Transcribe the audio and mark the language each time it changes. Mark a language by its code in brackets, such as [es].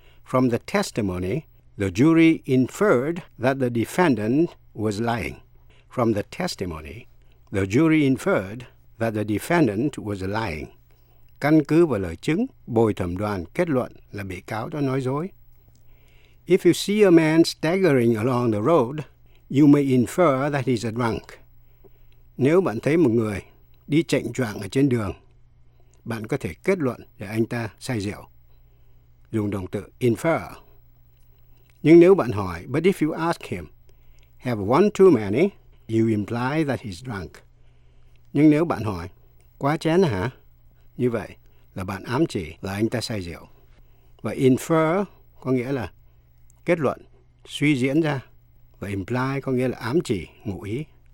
[en] From the testimony, the jury inferred that the defendant was lying. From the testimony, the jury inferred that the defendant was lying. [vi] Căn cứ vào lời chứng, bồi thẩm đoàn kết luận là bị cáo đã nói dối. [en] If you see a man staggering along the road, you may infer that he's a drunk. [vi] Nếu bạn thấy một người đi chệnh choạng ở trên đường, bạn có thể kết luận là anh ta say rượu. Dùng động từ infer. Nhưng nếu bạn hỏi, [en] but if you ask him, have one too many, you imply that he's drunk. [vi] Nhưng nếu bạn hỏi, quá chén hả? Như vậy là bạn ám chỉ là anh ta say rượu. Và infer có nghĩa là kết luận, suy diễn ra. Và imply có nghĩa là ám chỉ, ngụ ý.